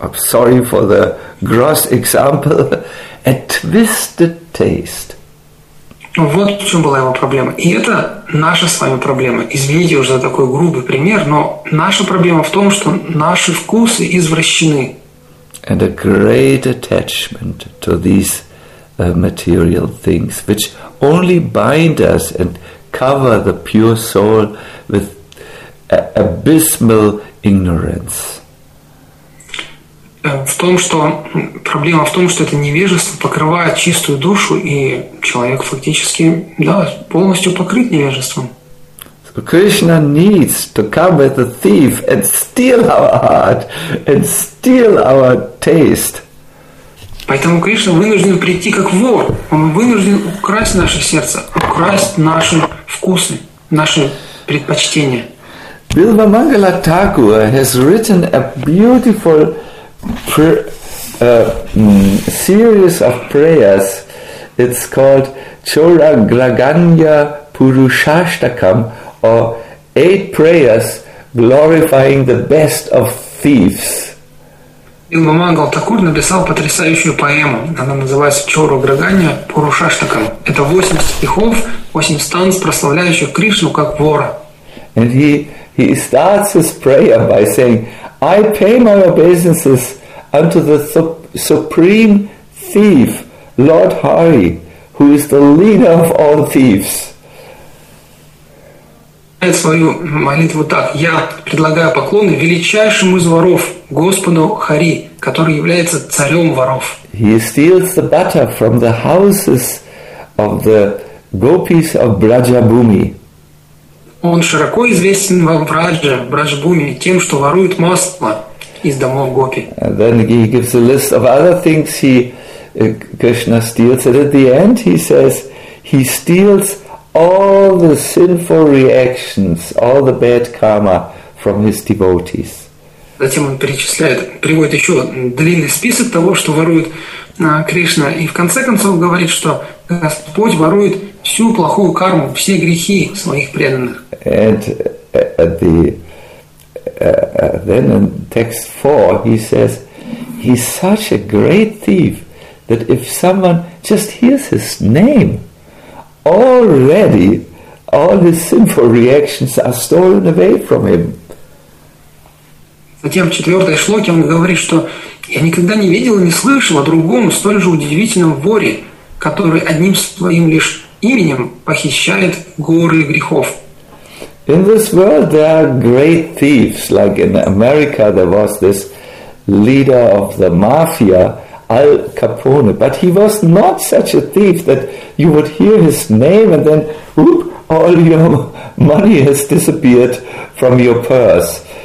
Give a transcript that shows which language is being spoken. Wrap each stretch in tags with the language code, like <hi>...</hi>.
<en>I'm sorry for the gross example. A twisted taste.</en> <ru>Вот в чем была его проблема. И это наша с вами проблема. Извините уже за такой грубый пример, но наша проблема в том, что наши вкусы извращены.</ru> <en>And a great attachment to these material things, which only bind us and cover the pure soul with abysmal ignorance.</en> <ru>В том, что проблема в том, что это невежество покрывает чистую душу, и человек фактически, да, полностью покрыт невежеством.</ru> <en>So Krishna needs to come as a thief and steal our heart and steal our taste.</en> <ru>Поэтому Кришна вынужден прийти как вор. Он вынужден украсть наше сердце, украсть наши вкусы, наши предпочтения.</ru> <en>Bilva Mangala Thakur has written a beautiful series of prayers. It's called Chola Graganya Purushashtakam, or Eight Prayers Glorifying the Best of Thieves.</en> <ru>Bilva Mangala Thakur написал потрясающую поэму. Она называется Чола Граганья Пурушаштакам. Это 8 стихов, 8 станц, прославляющих Кришну как вора.</ru> <en>And he starts his prayer by saying, I pay my obeisances unto the supreme thief, Lord Hari, who is the leader of all thieves.</en> <ru>Свою молитву так: я предлагаю поклоны величайшему из воров, Господу Хари, который является царем воров.</ru> <en>He steals the butter from the houses of the gopis of Brajabhumi.</en> <ru>Он широко известен во Брадже-Брадже-Бхуми тем, что ворует масло.</ru> <en>And then he gives a list of other things he Krishna steals, and at the end he says he steals all the sinful reactions, all the bad karma from his devotees.</en> <ru>Затем он перечисляет, приводит еще длинный список того, что ворует Кришна, и в конце концов говорит, что Господь ворует всю плохую карму, все грехи своих преданных.</ru> <en>And at the then in text 4 he says he's such a great thief that if someone just hears his name, already all his sinful reactions are stolen away from him.</en> <ru>Затем в четвертой шлоке он говорит, что я никогда не видел и не слышал о другом столь же удивительном воре, который одним своим лишь именем похищает горы грехов.</ru> <en>In this world there are great thieves, like in America there was this leader of the mafia, Al Capone, but he was not such a thief that you would hear his name and then, whoop, all your money has disappeared from your purse.</en>